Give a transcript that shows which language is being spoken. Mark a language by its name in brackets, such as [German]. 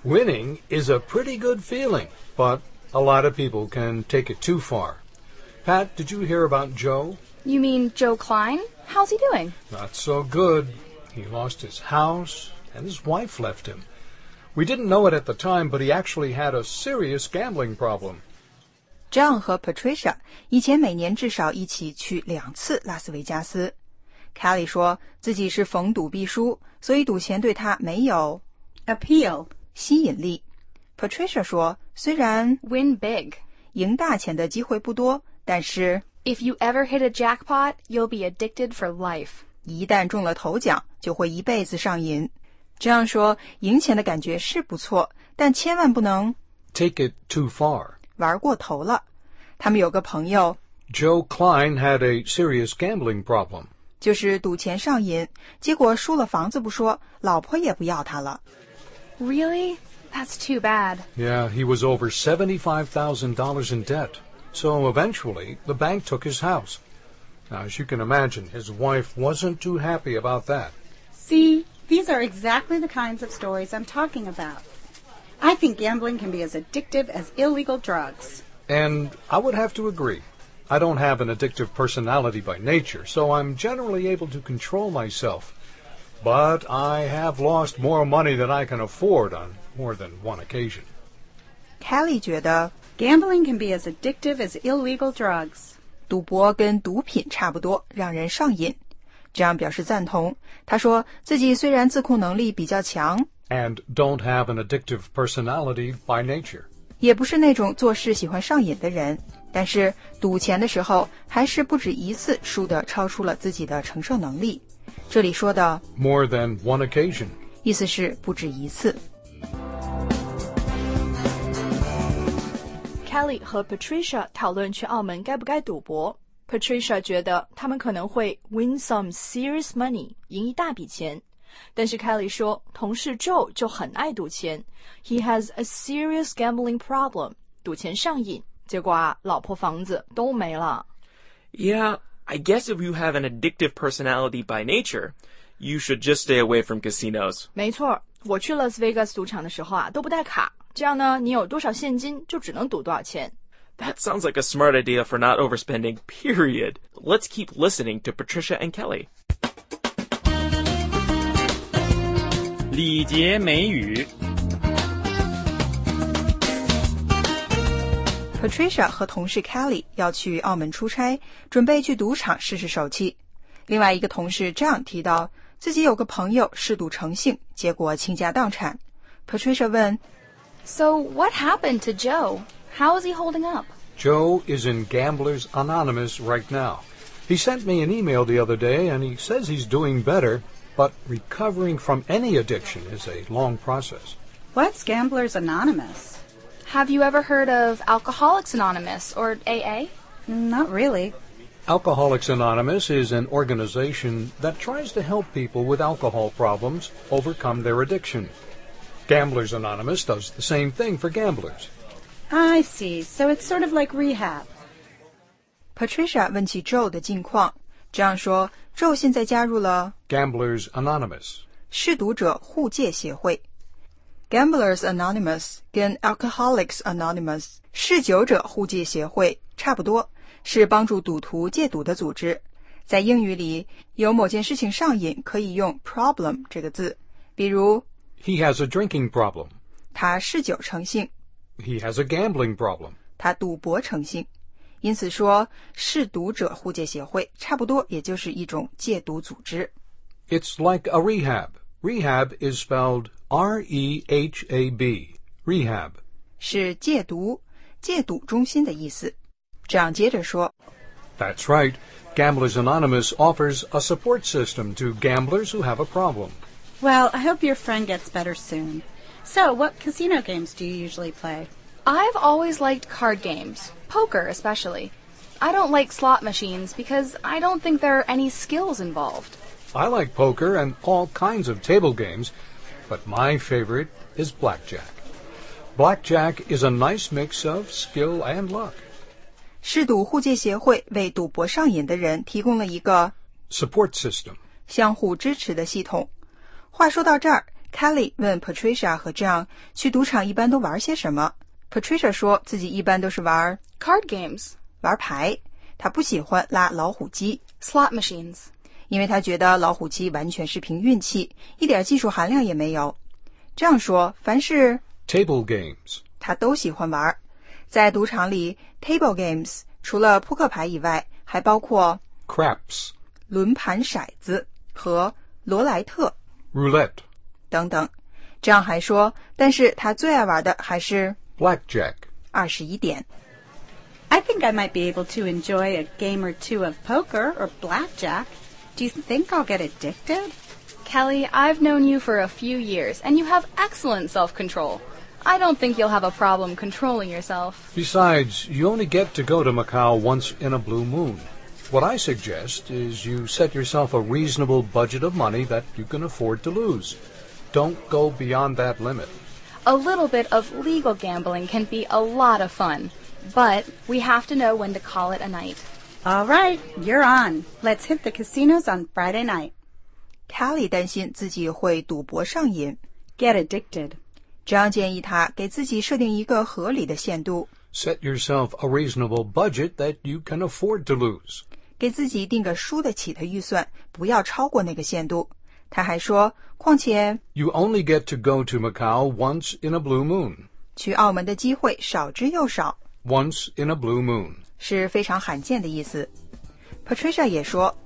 [English] Winning is a pretty good feeling, but a lot of people can take it too far. Pat, did you hear about Joe? You mean Joe Klein? How's he doing? Not so good. He lost his house, and his wife left him. We didn't know it at the time, but he actually had a serious gambling problem. [Chinese] John 和 Patricia 以前每年至少一起去两次拉斯维加斯。 Kelly 说自己是逢赌必输，所以赌钱对他没有 [English] appeal [Chinese] 吸引力。 Patricia 说虽然 [English] win big [Chinese] 赢大钱的机会不多，但是 [English] if you ever hit a jackpot, you'll be addicted for life. [Chinese] 一旦中了头奖就会一辈子上瘾。这样说赢钱的感觉是不错，但千万不能 [English] take it too far [Chinese] 玩过头了。他们有个朋友 [English] Joe Klein had a serious gambling problem. [Chinese] 就是赌钱上瘾，结果输了房子不说，老婆也不要他了。 [English] Really? That's too bad. Yeah, he was over $75,000 in debt. So eventually, the bank took his house. Now, as you can imagine, his wife wasn't too happy about that. See, these are exactly the kinds of stories I'm talking about. I think gambling can be as addictive as illegal drugs. And I would have to agree. I don't have an addictive personality by nature, so I'm generally able to control myself. But I have lost more money than I can afford on more than one occasion. [Chinese] Kelly 觉得 [English] gambling can be as addictive as illegal drugs. [Chinese] 赌博跟毒品差不多，让人上瘾。 John 表示赞同。他说自己虽然自控能力比较强 [English] and don't have an addictive personality by nature. [Chinese] 也不是那种做事喜欢上瘾的人。但是赌钱的时候还是不止一次输得超出了自己的承受能力。这里说的 [English] more than one occasion [Chinese] 意思是不止一次。 Kelly 和 Patricia 讨论去澳门该不该赌博。 Patricia 觉得他们可能会 [English] win some serious money [Chinese] 赢一大笔钱，但是 Kelly 说同事 Joe 就很爱赌钱， [English] He has a serious gambling problem， [Chinese] 赌钱上瘾，结果啊，老婆房子都没了。 [English] Yeah, I guess if you have an addictive personality by nature, you should just stay away from casinos. [Chinese] 没错，我去 Las Vegas 赌场的时候啊，都不带卡。这样呢，你有多少现金，就只能赌多少钱。 [English] That sounds like a smart idea for not overspending, period. Let's keep listening to Patricia and Kelly. [Chinese] 礼节美语。 Patricia 和同事 Kelly 要去澳门出差，准备去赌场试试手气。另外一个同事 John 提到自己有个朋友嗜赌成性，结果倾家荡产。 Patricia 问 [English] So what happened to Joe? How is he holding up? Joe is in Gamblers Anonymous right now. He sent me an email the other day and he says he's doing better, but recovering from any addiction is a long process. What's Gamblers Anonymous? Have you ever heard of Alcoholics Anonymous, or AA? Not really. Alcoholics Anonymous is an organization that tries to help people with alcohol problems overcome their addiction. Gamblers Anonymous does the same thing for gamblers. I see. So it's sort of like rehab. [Chinese] Patricia 问起 Joe 的近况。这样说 Joe 现在加入了 [English] Gamblers Anonymous. [Chinese] 嗜赌者互戒协会。 Gamblers Anonymous 跟 Alcoholics Anonymous 嗜酒者互戒协会差不多，是帮助赌徒戒赌的组织。在英语里，有某件事情上瘾可以用 problem 这个字，比如 [English] He has a drinking problem. [Chinese] 他嗜酒成性。 [English] He has a gambling problem. [Chinese] 他赌博成性。因此说，嗜赌者互戒协会差不多也就是一种戒赌组织。 [English] It's like a rehab. Rehab is spelled R-E-H-A-B, rehab. [Chinese] 是戒毒、戒赌中心的意思。这样接着说。 [English] That's right. Gamblers Anonymous offers a support system to gamblers who have a problem. Well, I hope your friend gets better soon. So, what casino games do you usually play? I've always liked card games, poker especially. I don't like slot machines because I don't think there are any skills involved. I like poker and all kinds of table games, but my favorite is blackjack. Blackjack is a nice mix of skill and luck. [Chinese] 嗜赌互戒协会为赌博上瘾的人提供了一个 [English] support system, [Chinese] 相互支持的系统。话说到这儿 ,Kelly 问 Patricia 和 John 去赌场一般都玩些什么。 Patricia 说自己一般都是玩 [English] card games, [Chinese] 玩牌。他不喜欢拉老虎机 [English] slot machines, [Chinese] 因为他觉得老虎机完全是凭运气，一点技术含量也没有。这样说，凡是 [English] table games, [Chinese] 他都喜欢玩。在赌场里 ,table games, 除了扑克牌以外还包括 [English] craps, [Chinese] 轮盘骰子和罗莱特 [English] Roulette. [Chinese] 等等。这样还说，但是他最爱玩的还是 [English] Blackjack. [Chinese] 21点。 [English] I think I might be able to enjoy a game or two of poker or blackjack. Do you think I'll get addicted? Kelly, I've known you for a few years, and you have excellent self-control. I don't think you'll have a problem controlling yourself. Besides, you only get to go to Macau once in a blue moon. What I suggest is you set yourself a reasonable budget of money that you can afford to lose. Don't go beyond that limit. A little bit of legal gambling can be a lot of fun, but we have to know when to call it a night. All right, you're on. Let's hit the casinos on Friday night. [Chinese] Kelly 担心自己会赌博上瘾。 [English] Get addicted. [Chinese] John 建议他给自己设定一个合理的限度。 [English] Set yourself a reasonable budget that you can afford to lose. [Chinese] 给自己定个输得起的预算，不要超过那个限度。他还说，况且 [English] You only get to go to Macau once in a blue moon. [Chinese] 去澳门的机会少之又少。 [English] Once in a blue moon. [Chinese] 是非常罕见的意思。 Patricia 也说